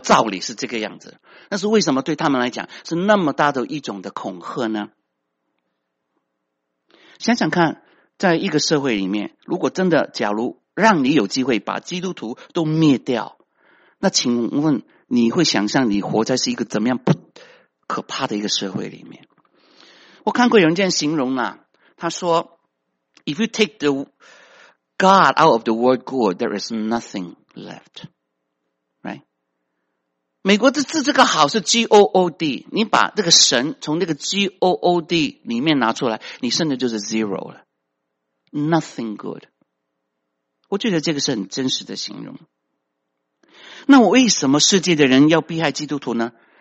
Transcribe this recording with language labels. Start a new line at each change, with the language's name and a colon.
Chinese: 照理是这个样子，但是为什么对他们来讲是那么大的一种的恐吓呢？想想看，在一个社会里面，如果真的假如让你有机会把基督徒都灭掉，那请问你会想象你活在是一个怎么样不可怕的一个社会里面？我看过有人这样形容啊，他说
English: ,If you take the God out of the word good, there is nothing left. Right?
Chinese: 美国的字这个好是 G-O-O-D, 你把这个神从这个 G-O-O-D 里面拿出来，你剩的就是 zero 了。
English: Nothing good.
Chinese: 我觉得这个是很真实的形容。那我为什么世界的人要迫害基督徒呢？